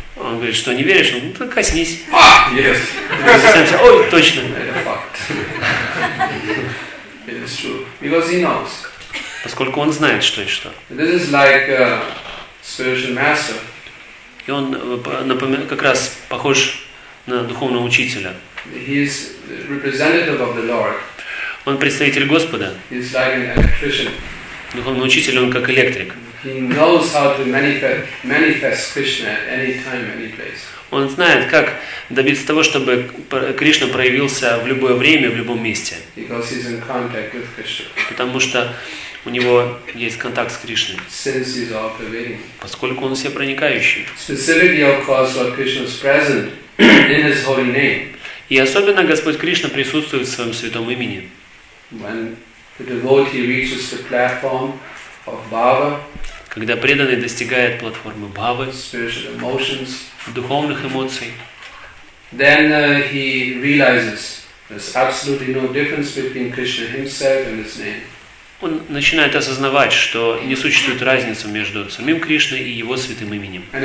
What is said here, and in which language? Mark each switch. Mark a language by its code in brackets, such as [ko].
[ru] Он говорит, что не веришь? Ну, так коснись. [en] Ah, yes. [ru] Ой, точно. [en] It's a fact. It is true. Because he knows. [ru] Поскольку он знает, что и что. [en] This is like a spiritual master. [ru] И он как раз похож на духовного учителя. [en] He is representative of the Lord. [ru] Он представитель Господа. [en] He is like an electrician. [ru] Духовный учитель, он как электрик. [en] He knows how to manifest Krishna at any time, any place. [ru] Он знает, как добиться того, чтобы Кришна проявился в любое время, в любом месте. [en] Because he is in contact with Krishna. [ru] Потому что у него есть контакт с Кришной. [en] Since he's all pervading. [ru] Поскольку он всепроникающий. [en] Specifically, of course, Lord Krishna's present in his holy name. [ru] И особенно Господь Кришна присутствует в своем святом имени. [en] When the devotee reaches the platform of Bhava, [ru] когда преданный достигает платформы Бхавы, [en] spiritual emotions, [ru] духовных эмоций, [en] then he realizes there's absolutely no difference between Krishna himself and his name. [ru] Он начинает осознавать, что не существует разницы между самим Кришной и его святым именем.